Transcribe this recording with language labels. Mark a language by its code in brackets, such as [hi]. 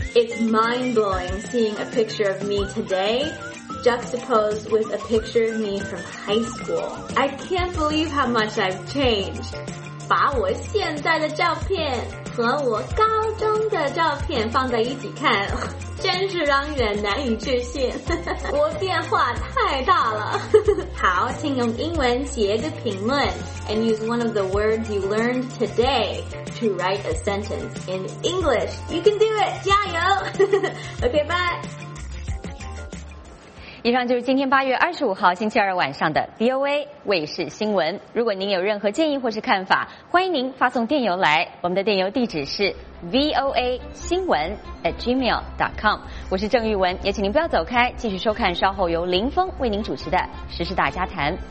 [en] It's mind-blowing seeing a picture of me todayJuxtaposed with a picture of me from high school. I can't believe how much I've changed. [zh] 把我现在的照片和我高中的照片放在一起看，真是让人难以置信。我变化太大了。好，请用英文写个评论 [en] and use one of the words you learned today to write a sentence in English. You can do it! [zh] 加油! [en] OK, bye! [zh] 以上就是今天八月二十五号星期二晚上的 VOA 卫视新闻。如果您有任何建议或是看法，欢迎您发送电邮来，我们的电邮地址是 voa@gmail.com。我是郑玉文，也请您不要走开，继续收看稍后由林峰为您主持的《时事大家谈》。